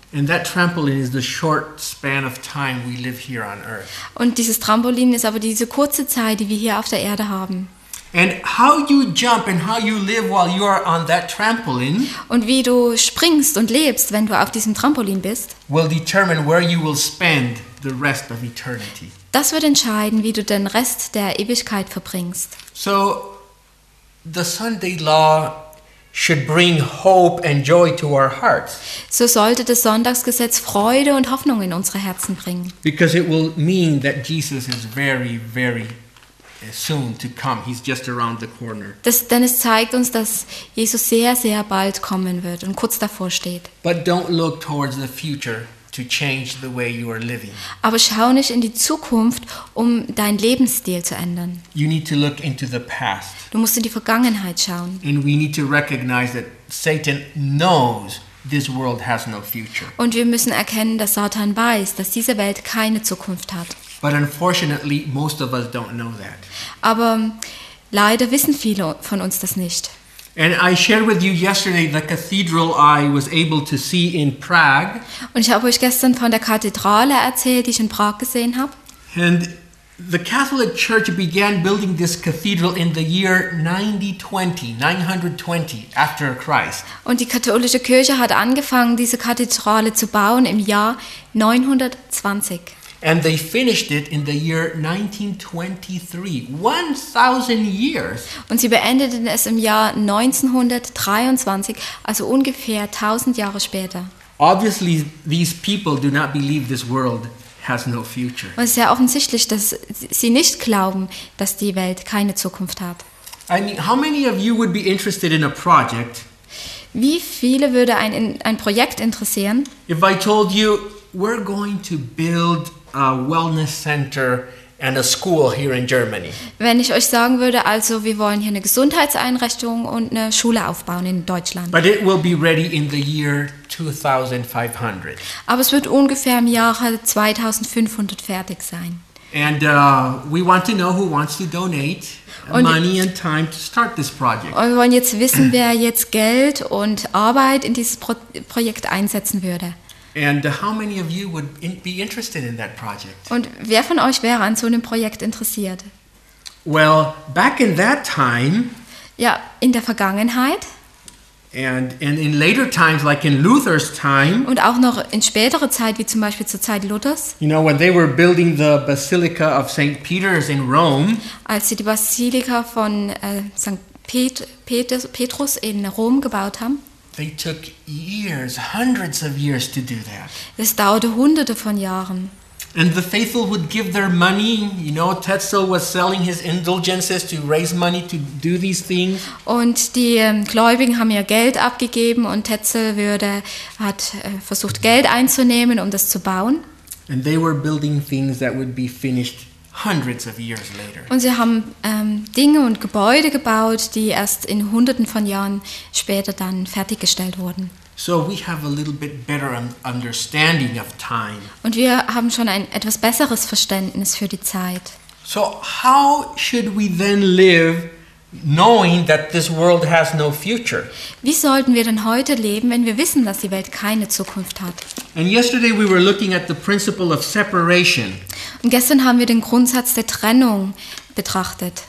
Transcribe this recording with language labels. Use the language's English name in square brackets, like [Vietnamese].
[English] And that trampoline is the short span of time we live here on earth. [German] Und dieses Trampolin ist aber diese kurze Zeit, die wir hier auf der Erde haben. [English] And how you jump and how you live while you are on that trampoline. [German] Und wie du springst und lebst, wenn du auf diesem Trampolin bist. [English] Will determine where you will spend the rest of eternity. [German] Das wird entscheiden, wie du den Rest der Ewigkeit verbringst. [English] So, the Sunday law should bring hope and joy to our hearts. [German] So sollte das Sonntagsgesetz Freude und Hoffnung in unsere Herzen bringen. [English] Because it will mean that Jesus is very, very soon to come. He's just around the corner. [German] Denn es zeigt uns, dass Jesus sehr, sehr bald kommen wird und kurz davor steht. [English] But don't look towards the future to change the way you are living. [German] Aber schau nicht in die Zukunft, um deinen Lebensstil zu ändern. [English] You need to look into the past. [German] Du musst in die Vergangenheit schauen. [English] And we need to recognize that Satan knows this world has no future. [German] Und wir müssen erkennen, dass Satan weiß, dass diese Welt keine Zukunft hat. [English] But unfortunately, most of us don't know that. [German] Aber leider wissen viele von uns das nicht. [English] And I shared with you yesterday the cathedral I was able to see in Prague. [German] Und ich habe euch gestern von der Kathedrale erzählt, die ich in Prag gesehen habe. [English] And the Catholic Church began building this cathedral in the year 920 after Christ. [German] Und die katholische Kirche hat angefangen, diese Kathedrale zu bauen im Jahr 920. [English] And they finished it in the year 1923, 1,000 years. [German] Und sie beendeten es im Jahr 1923, also ungefähr 1,000 Jahre später. [English] Obviously, these people do not believe this world has no future. [German] Und es ist ja offensichtlich, dass sie nicht glauben, dass die Welt keine Zukunft hat. [English] I mean, how many of you would be interested in a project? [German] Wie viele würde ein Projekt interessieren? [English] If I told you, we're going to build a wellness center and a school here in Germany. [German] Wenn ich euch sagen würde, also wir wollen hier eine Gesundheitseinrichtung und eine Schule aufbauen in Deutschland. [English] But it will be ready in the year 2500. [German] Aber es wird ungefähr im Jahre 2500 fertig sein. [English] And we want to know who wants to donate money and time to start this project. [German] Und wir wollen jetzt wissen, wer jetzt Geld und Arbeit in dieses Projekt einsetzen würde. [English] And how many of you would be interested in that project? [German] Und wer von euch wäre an so einem Projekt interessiert? [English] Well, back in that time. [German] Ja, in der Vergangenheit. [English] And in later times, like in Luther's time. [German] Und auch noch in späterer Zeit, wie zum Beispiel zur Zeit Luthers. [English] You know, when they were building the Basilica of St. Peter's in Rome. [German] Als sie die Basilika von Petrus in Rom gebaut haben. [English] They took years, hundreds of years to do that. [German] Es dauerte hunderte von Jahren. [English] And the faithful would give their money. You know, Tetzel was selling his indulgences to raise money to do these things. [German] Und die Gläubigen haben ihr Geld abgegeben und Tetzel hat versucht Geld einzunehmen, um das zu bauen. [English] And they were building things that would be finished hundreds of years later. [German] Und sie haben Dinge und Gebäude gebaut, die erst in hunderten von Jahren später dann fertiggestellt wurden. [English] So we have a little bit better understanding of time. [German] Und wir haben schon ein etwas besseres Verständnis für die Zeit. [English] So how should we then live knowing that this world has no future? [German] Wie sollten wir denn heute leben, wenn wir wissen, dass die Welt keine Zukunft hat? [English] And yesterday we were looking at the principle of separation. [German] Und gestern haben wir den Grundsatz der Trennung betrachtet.